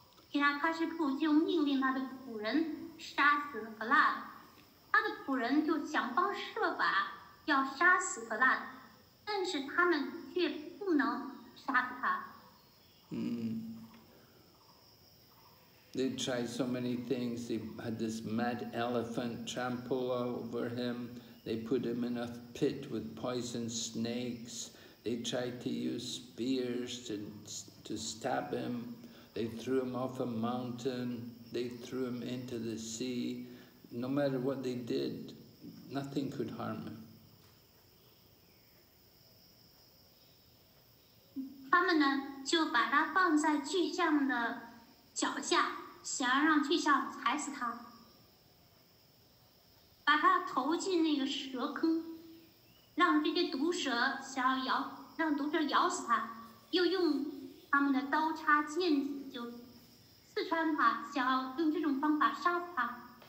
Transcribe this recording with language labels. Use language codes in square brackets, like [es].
[zh] 提拉喀什库就命令他的仆人杀死弗拉，他的仆人就想方设法要杀死弗拉，但是他们却不能杀死他。 [en] They tried so many things. They had this mad elephant trample over him. They put him in a pit with poison snakes. They tried to use spears to stab him. They threw him off a mountain. They threw him into the sea. No matter what they did, nothing could harm him. [zh] 他们呢，就把他放在巨象的脚下，想要让巨象踩死他，把他投进那个蛇坑，让这些毒蛇想要咬，让毒蛇咬死他，又用他们的刀叉剑子就刺穿他，想要用这种方法杀死他。